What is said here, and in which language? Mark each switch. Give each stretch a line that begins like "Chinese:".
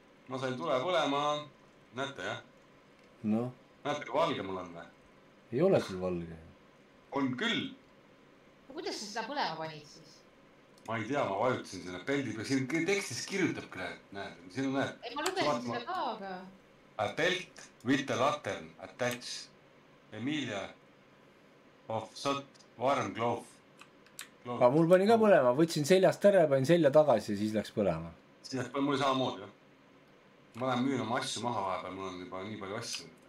Estonian: Ma sain tule põlema, näete, jah? No. Näete, kui valge mul on või? Ei ole sul valge. On küll! No kuidas sa seda põlema panid siis? Ma ei tea, ma vajutasin sinna peldi peal. Siin tekstis kirjutab, näed. Siin on, näed. Ei, ma lugesin seda ka, aga...
English: A belt with a lantern attached. Emilia of Sot Warm Glove.
Estonian: Aga mul pani ka põlema, võtsin seljast ära, panin selja tagasi ja siis läks põlema. Siis läks põlema, mul ei saa moodi, jah. Ma lähen müün oma asju maha vahepeal, mul on juba nii palju asju.